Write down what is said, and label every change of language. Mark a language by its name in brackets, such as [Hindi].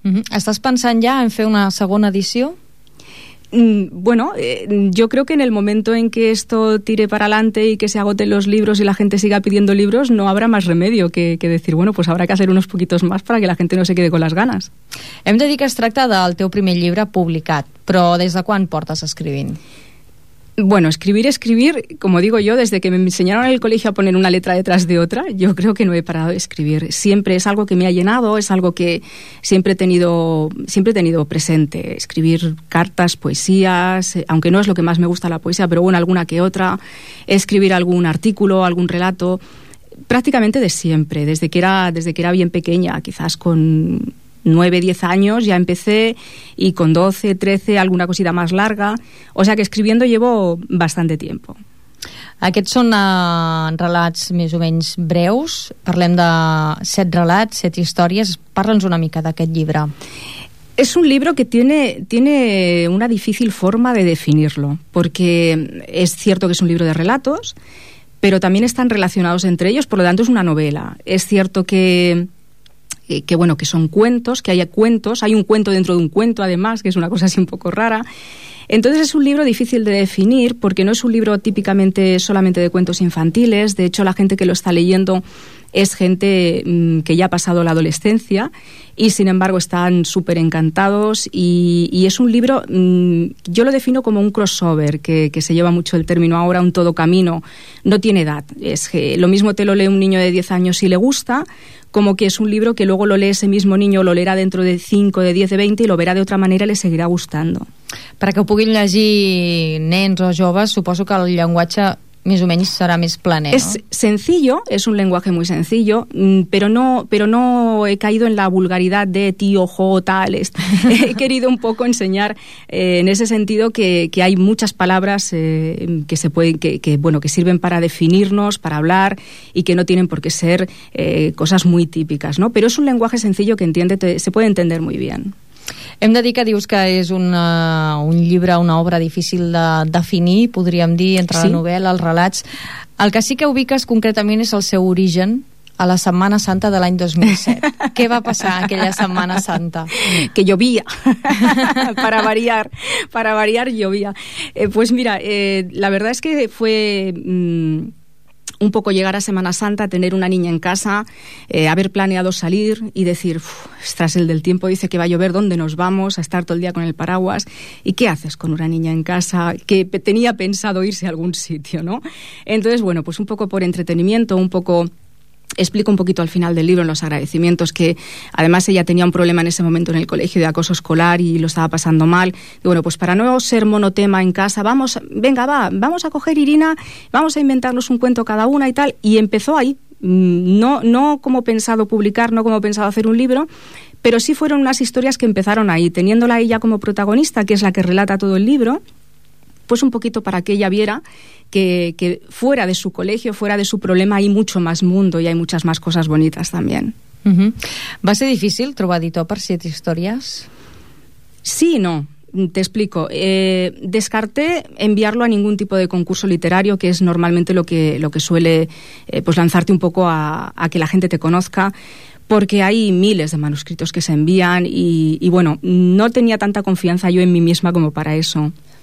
[Spanish] ¿Estás pensando ya en hacer una segunda edición? Bueno, yo creo que en el momento en que esto tire para adelante y que se agoten los libros y la gente siga pidiendo libros, no habrá más remedio que decir, bueno, pues habrá que hacer unos poquitos más para que la gente no se quede con las ganas. [Catalan] Hem de dir que es tracta del teu primer llibre publicat, però des de quan portes escrivint? [Spanish] Bueno, escribir, como digo yo, desde que me enseñaron en el colegio a poner una letra detrás de otra, yo creo que no he parado de escribir. Siempre es algo que me ha llenado, es algo que siempre he tenido presente. Escribir cartas, poesías, aunque no es lo que más me gusta la poesía, pero bueno, alguna que otra. Escribir algún artículo, algún relato, prácticamente de siempre, desde que era bien pequeña, quizás con 9, 10 años ya empecé, y con 12, 13, alguna cosita más larga. O sea que escribiendo llevo bastante tiempo. [Catalan] Aquests són relats més o menys breus. Parlem de 7 relats, 7 històries. Parla'ns una mica d'aquest llibre. [Spanish] Es un libro que tiene una difícil forma de definirlo, porque es cierto que es un libro de relatos, pero también están relacionados entre ellos, por lo tanto es una novela. Es cierto que bueno, que son cuentos, que haya cuentos, hay un cuento dentro de un cuento además, que es una cosa así un poco rara. Entonces es un libro difícil de definir porque no es un libro típicamente solamente de cuentos infantiles. De hecho, la gente que lo está leyendo es gente que ya ha pasado la adolescencia y sin embargo están súper encantados y es un libro, yo lo defino como un crossover, que se lleva mucho el término ahora, un todocamino. No tiene edad, es que lo mismo te lo lee un niño de 10 años y le gusta, como que es un libro que luego lo lee ese mismo niño, lo leerá dentro de 5, de 10, de 20 y lo verá de otra manera y le seguirá gustando. [Catalan] Para que ho puguin llegir nens o joves, suposo que el llenguatge més o menys serà més planer, [Spanish] no? Es sencillo, es un lenguaje muy sencillo, pero no he caído en la vulgaridad de tío, jo, tal. He querido un poco enseñar en ese sentido que hay muchas palabras que se pueden, que bueno, que sirven para definirnos, para hablar, y que no tienen por qué ser cosas muy típicas, ¿no? Pero es un lenguaje sencillo que se puede entender muy bien. [Catalan] Hem de dir que dius que és un llibre, una obra difícil de definir, podríem dir, entre la novel·la, els relats. El que sí que ubiques concretament és el seu origen a la Setmana Santa de l'any 2007. Què va passar aquella Setmana Santa? [Spanish] Que llovia, para variar llovia. Pues mira, la verdad es que fue un poco llegar a Semana Santa, tener una niña en casa, haber planeado salir y decir, ostras, el del tiempo dice que va a llover, ¿dónde nos vamos? A estar todo el día con el paraguas. ¿Y qué haces con una niña en casa que tenía pensado irse a algún sitio, no? Entonces, bueno, pues un poco por entretenimiento, un poco, explico un poquito al final del libro en los agradecimientos, que además ella tenía un problema en ese momento en el colegio de acoso escolar y lo estaba pasando mal. Y bueno, pues para no ser monotema en casa, vamos a coger Irina, vamos a inventarnos un cuento cada una y tal. Y empezó ahí, no como pensado publicar, no como pensado hacer un libro, pero sí fueron unas historias que empezaron ahí, teniéndola ella como protagonista, que es la que relata todo el libro, pues un poquito para que ella viera que fuera de su colegio, fuera de su problema, hay mucho más mundo y hay muchas más cosas bonitas también. [Catalan] ¿Va a ser difícil trobar editor per 7 històries? [Spanish] Sí, no. te explico. Descarté enviarlo a ningún tipo de concurso literario, que es normalmente lo que suele pues lanzarte un poco a que la gente te conozca, porque hay miles de manuscritos que se envían y bueno, no tenía tanta confianza yo en mí misma como para eso.